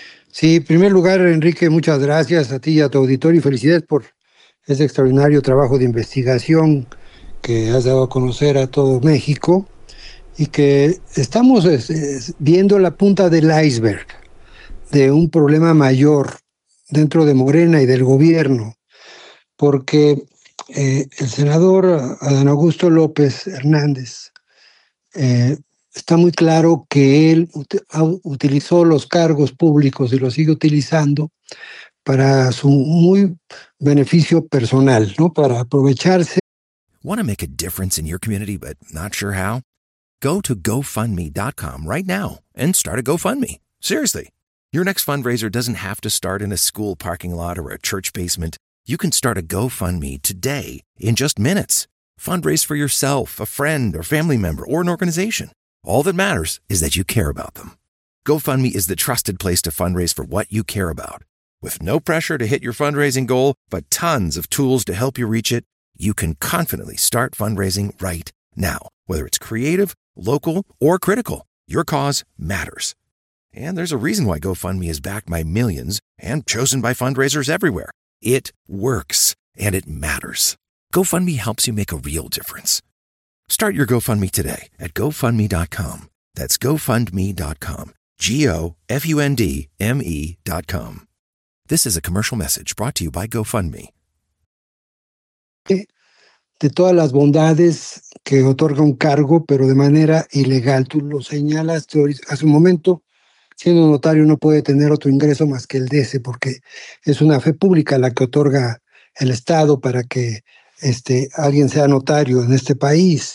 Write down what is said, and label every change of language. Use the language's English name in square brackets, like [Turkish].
[Spanish] Sí, en primer lugar, Enrique, muchas gracias a ti y a tu auditorio, y felicidades por ese extraordinario trabajo de investigación que has dado a conocer a todo México, y que estamos viendo la punta del iceberg de un problema mayor dentro de Morena y del gobierno, porque el senador Adán Augusto López Hernández está muy claro que él utilizó los cargos públicos y los sigue utilizando para su muy beneficio personal, ¿no? Para aprovecharse. [English] Want to make a difference in your community but not sure how? Go to GoFundMe.com right now and start a GoFundMe. Seriously, your next fundraiser doesn't have to start in a school parking lot or a church basement. You can start a GoFundMe today in just minutes. Fundraise for yourself, a friend, or family member, or an organization. All that matters is that you care about them. GoFundMe is the trusted place to fundraise for what you care about. With no pressure to hit your fundraising goal, but tons of tools to help you reach it, you can confidently start fundraising right now. Whether it's creative, local, or critical, your cause matters. And there's a reason why GoFundMe is backed by millions and chosen by fundraisers everywhere. It works, and it matters. GoFundMe helps you make a real difference. Start your GoFundMe today at GoFundMe.com. That's GoFundMe.com. GoFundMe.com. This is a commercial message brought to you by GoFundMe. [Spanish] De todas las bondades que otorga un cargo, pero de manera ilegal. Tú lo señalas, a su momento, siendo notario, no puede tener otro ingreso más que el de ese, porque es una fe pública la que otorga el Estado para que alguien sea notario en este país.